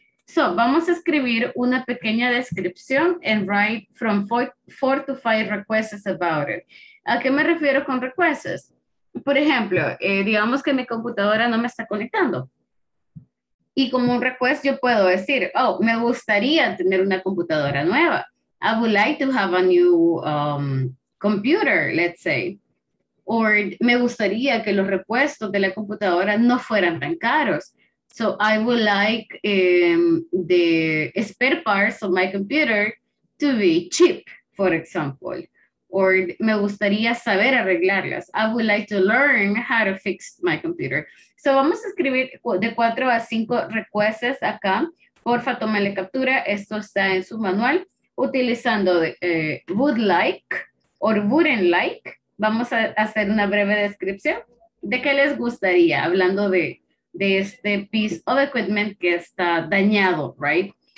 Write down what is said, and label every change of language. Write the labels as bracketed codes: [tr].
[en] So [es] vamos a escribir una pequeña descripción [en] and write from 4 to 5 requests about it. [es] ¿A qué me refiero con requests? Por ejemplo, digamos que mi computadora no me está conectando. Y como un request yo puedo decir, oh, me gustaría tener una computadora nueva. [en] I would like to have a new computer, let's say. [es] Or me gustaría que los repuestos de la computadora no fueran tan caros. [en] So I would like the spare parts of my computer to be cheap, for example. Or [es] me gustaría saber arreglarlas. [en] I would like to learn how to fix my computer. [es] So vamos a escribir de 4 a 5 requests acá. Porfa, tómale captura. Esto está en su manual. Utilizando [en] would like or wouldn't like, [es] vamos a hacer una breve descripción de qué les gustaría, hablando de este [en] piece of equipment [es] que está dañado, right?